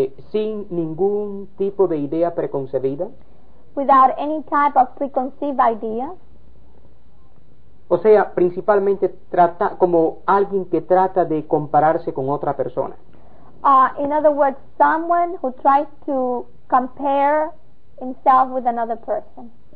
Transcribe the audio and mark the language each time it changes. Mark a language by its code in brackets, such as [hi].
[es] Sin ningún tipo de idea preconcebida. [en] Without any type of preconceived idea. [es] O sea, principalmente trata como alguien que trata de compararse con otra persona. [en] In other words, someone who tries to compare himself with another person.